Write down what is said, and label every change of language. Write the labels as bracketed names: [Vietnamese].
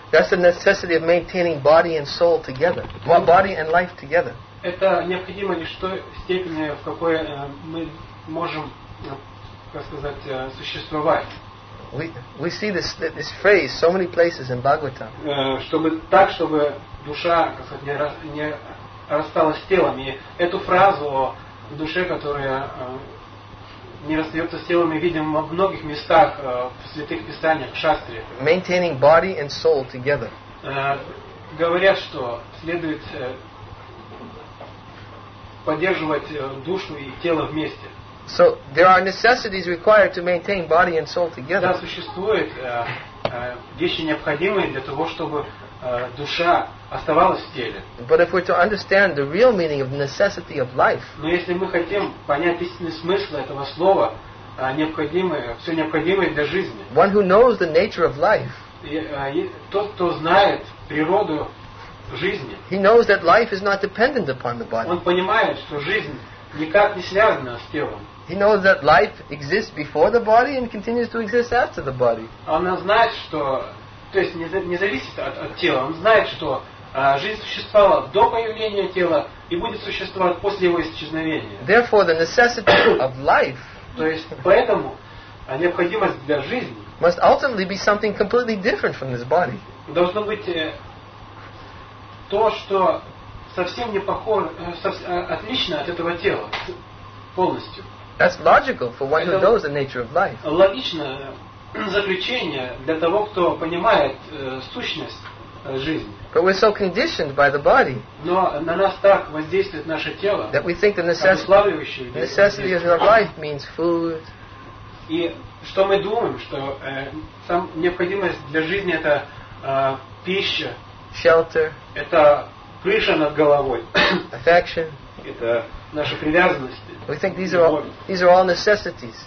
[English] That's the necessity of maintaining body and soul together. Well, body and life together. [Russian] Это необходимо лишь той степени, в какой мы можем, как сказать, существовать. [English] We see this phrase so many places in Bhagavatam. [Russian] Чтобы так, чтобы душа, как сказать, не рассталась с телом. И эту фразу о душе, которая не расстается с телом, мы видим во многих местах в святых писаниях, в шастре. [English] Maintaining body and soul together. [Russian] Говорят, что следует поддерживать душу и тело вместе. [English] So there are necessities required to maintain body and soul together. [Russian] Да, существует вещи необходимые для того, чтобы душа оставалась в теле. [English] But if we're to understand the real meaning of the necessity of life, [Russian] но если мы хотим понять истинный смысл этого слова, необходимое, все необходимое для жизни. [English] One who knows the nature of life, [Russian] тот, кто знает природу жизни. [English] He knows that life is not dependent upon the body. [Russian] Он понимает, что жизнь никак не связано с телом. [English] He knows that life exists before the body and continues to exist after the body. [Russian] Он знает, что, то есть не зависит от тела. Он знает, что жизнь существовала до появления тела и будет существовать после его исчезновения. [English] Therefore, the necessity of life. [Russian] То есть поэтому необходимость для жизни [English] must ultimately be something completely different from this body. [Russian] Должно быть то, что совсем не похоже, отлично от этого тела полностью. [English] That's logical for one who knows the nature of life. [Russian] Логично заключение для того, кто понимает сущность жизни. [English] But we're so conditioned by the body. [Russian] Но на нас так воздействует наше тело. [English] That we think the necessity of life means food. [Russian] И что мы думаем, что сам необходимость для жизни это пища. [English] Shelter. [Russian] Это крыша над головой. [English] Affection. [Russian] Это наши привязанности. [English] We think these are all necessities.